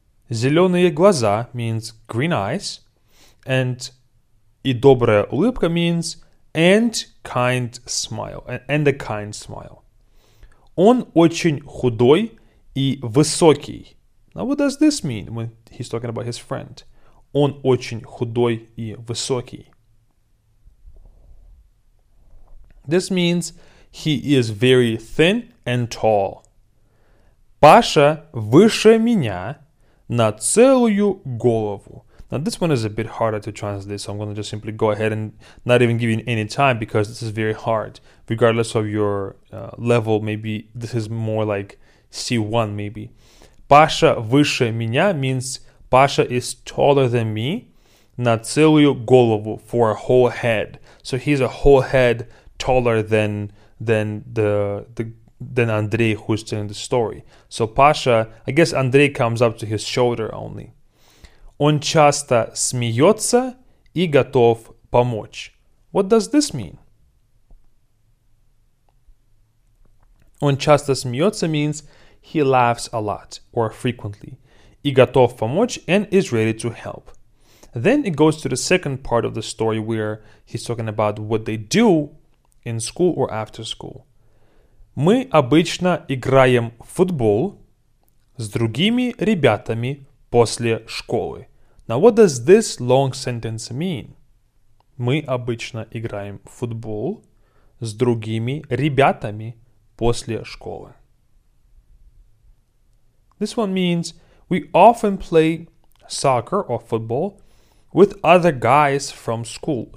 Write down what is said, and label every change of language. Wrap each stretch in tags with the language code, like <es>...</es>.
<ru>Зеленые глаза</ru> <en>means green eyes. And</en> <ru>и добрая улыбка</ru> <en>means and kind smile. And a kind smile.</en> <ru>Он очень худой и высокий.</ru> <en>Now what does this mean when he's talking about his friend?</en> <ru>Он очень худой и высокий.</ru> <en>This means he is very thin and tall.</en> <ru>Паша выше меня на целую голову.</ru> <en>Now, this one is a bit harder to translate, so I'm going to just simply go ahead and not even give you any time because this is very hard. Regardless of your level, maybe this is more like C1, maybe.</en> <ru>Паша выше меня</ru> <en>means Паша is taller than me</en> <ru>на целую голову,</ru> <en>for a whole head. So he's a whole head taller than Андрей, who's telling the story. So Паша, I guess Андрей comes up to his shoulder only.</en> <ru>Он часто смеется и готов помочь.</ru> <en>What does this mean?</en> <ru>Он часто смеется</ru> <en>means he laughs a lot or frequently.</en> <ru>И готов помочь</ru> <en>and is ready to help. Then it goes to the second part of the story where he's talking about what they do in school or after school.</en> <ru>Мы обычно играем в футбол с другими ребятами после школы.</ru> <en>Now, what does this long sentence mean?</en> <ru>Мы обычно играем в футбол с другими ребятами после школы.</ru> <en>This one means we often play soccer or football with other guys from school.</en>